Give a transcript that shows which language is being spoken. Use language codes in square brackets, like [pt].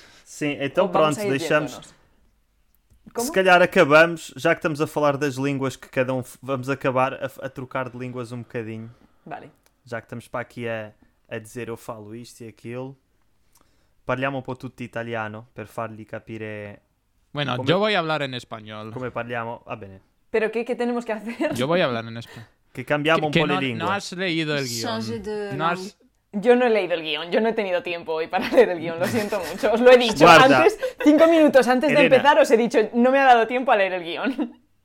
[es] Sí, entonces pronto, [pt] deixamos. [es] ¿Cómo? [pt] Se calhar acabamos, [es] ya que [pt] estamos a falar das línguas que cada um... Vamos acabar a trocar de línguas um bocadinho. [es] Vale. [pt] Já que estamos para aqui a dizer eu falo isto e aquilo. [it] Parliamo un po' tutto italiano, per fargli capire... [es] Bueno, yo voy a hablar en español. [it] Como parliamo, va bene. [es] ¿Pero qué tenemos que hacer? Yo voy a hablar en español. Que cambiamos un poco no, de lengua. No has leído el guión. [fr] Change de [es] no has... Yo no he leído el guión, yo no he tenido tiempo hoy para leer el guión, lo siento mucho. Os lo he dicho [it] Guarda. [es] Antes, 5 minutos antes de Elena. Empezar, os he dicho, no me ha dado tiempo a leer el guión.